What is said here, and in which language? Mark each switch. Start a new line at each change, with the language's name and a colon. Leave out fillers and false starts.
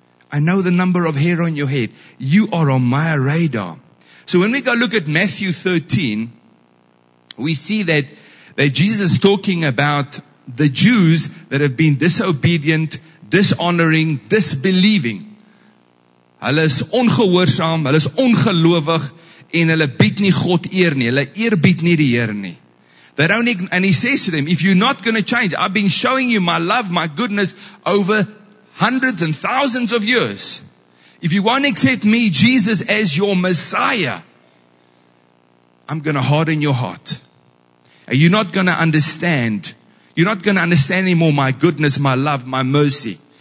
English: I know the number of hair on your head. You are on my radar. So when we go look at Matthew 13, we see that Jesus is talking about the Jews that have been disobedient, dishonoring, disbelieving.
Afrikaans: Hulle is ongehoorsaam, hulle is ongelowig, en hulle bied nie God eer nie, hulle eerbied nie die Here nie.
English: They don't even, and He says to them, if you're not going to change, I've been showing you my love, my goodness over hundreds and thousands of years. If you won't accept me, Jesus, as your Messiah, I'm going to harden your heart. And you're not going to understand. You're not going to understand anymore my goodness, my love, my mercy.